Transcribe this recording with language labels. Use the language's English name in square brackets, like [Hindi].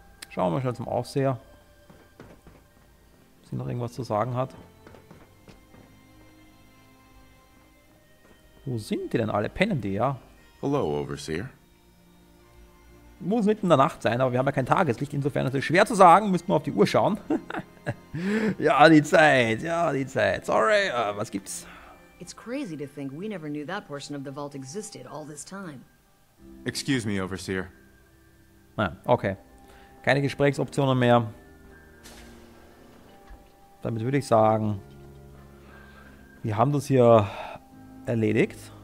[German] Schauen wir mal schnell zum Aufseher. Ob sie noch irgendwas zu sagen hat. Wo sind die denn alle? Pennen die, ja? Hallo, Overseer. Muss mitten in der Nacht sein, aber wir haben ja kein Tageslicht. Insofern ist es schwer zu sagen. Müssen wir auf die Uhr schauen. Ja, die Zeit. Ja, die Zeit. Sorry, was gibt's? [English] It's crazy to think we never knew that portion of the vault existed all this time. Excuse me, Overseer. [German] Na, okay. Keine Gesprächsoptionen mehr. Damit würde ich sagen, wir haben das hier... erledigt.